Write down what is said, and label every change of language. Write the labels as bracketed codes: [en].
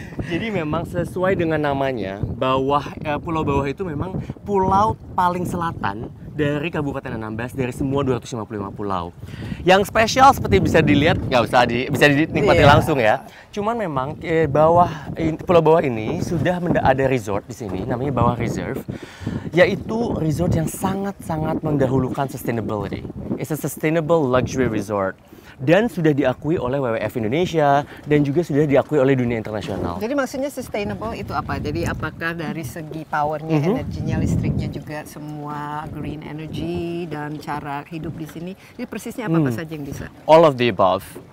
[id] Jadi memang sesuai dengan namanya, bawah Pulau Bawah itu memang pulau paling selatan dari Kabupaten Anambas, dari semua 255 pulau. Yang spesial seperti bisa dilihat, nggak usah bisa dinikmati langsung ya. Cuman memang Pulau Bawah ini sudah ada resort di sini, namanya Bawah Reserve, yaitu resort yang sangat-sangat mendahulukan sustainability. [en] It's a sustainable luxury resort. [id] Dan sudah diakui oleh WWF Indonesia dan juga sudah diakui oleh dunia internasional. Jadi maksudnya sustainable itu apa? Jadi apakah dari segi powernya, energinya, listriknya juga semua green energy dan cara hidup di sini? Jadi persisnya apa saja yang bisa? [en] All of the above.